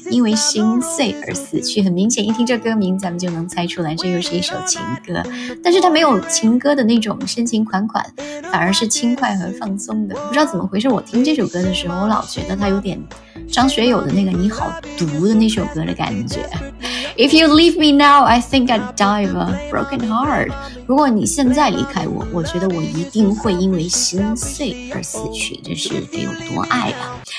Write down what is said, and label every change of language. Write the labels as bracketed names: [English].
[Chinese] 因为心碎而死去，很明显一听这歌名咱们就能猜出来这又是一首情歌，但是它没有情歌的那种深情款款，反而是轻快和放松的。不知道怎么回事，我听这首歌的时候我老觉得它有点张学友的那个你好毒的那首歌的感觉。 [English] If you leave me now, I think I'd die of a broken heart. [Chinese] 如果你现在离开我，我觉得我一定会因为心碎而死去，这是得有多爱啊。